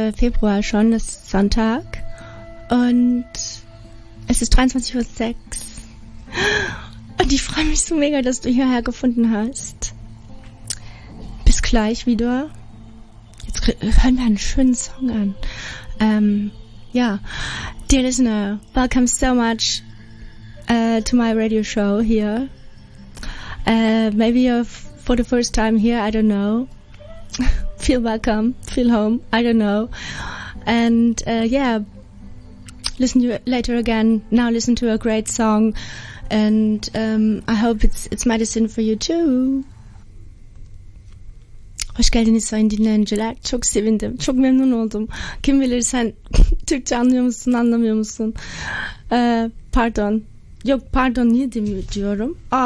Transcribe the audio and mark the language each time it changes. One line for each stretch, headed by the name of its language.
German: Februar schon, das ist Sonntag und es ist 23:06 Uhr. Und ich freue mich so mega, dass du hierher gefunden hast. Bis gleich wieder. Jetzt hören wir einen schönen Song an.
English: Dear listener, welcome so much to my radio show here. Maybe you're for the first time here, I don't know. Feel welcome, feel home, I don't know. And listen to later again. Now listen to a great song. And I hope it's medicine for you too.
Turkish: Rochelle ni soin din Angela, çok sevindim, çok memnun oldum. Kim bilir sen Türkçe anlıyor musun, anlamıyor musun? Pardon. Yok, pardon niye demiyorum?